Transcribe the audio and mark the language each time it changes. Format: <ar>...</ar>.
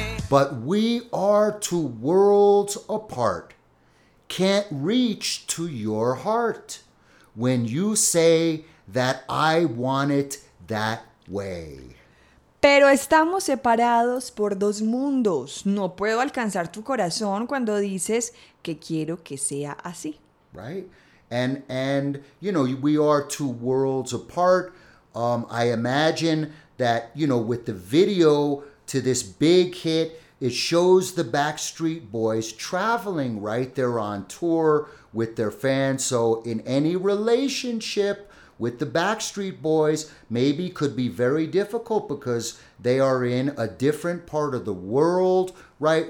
<en>But we are two worlds apart, can't reach to your heart when you say that I want it that way.</en> <es>Pero estamos separados por dos mundos. No puedo alcanzar tu corazón cuando dices que quiero que sea así.</es> <en>Right? And you know, we are two worlds apart. I imagine that, you know, with the video to this big hit. It shows the Backstreet Boys traveling, right? They're on tour with their fans. So in any relationship with the Backstreet Boys, maybe could be very difficult because they are in a different part of the world, right?</en>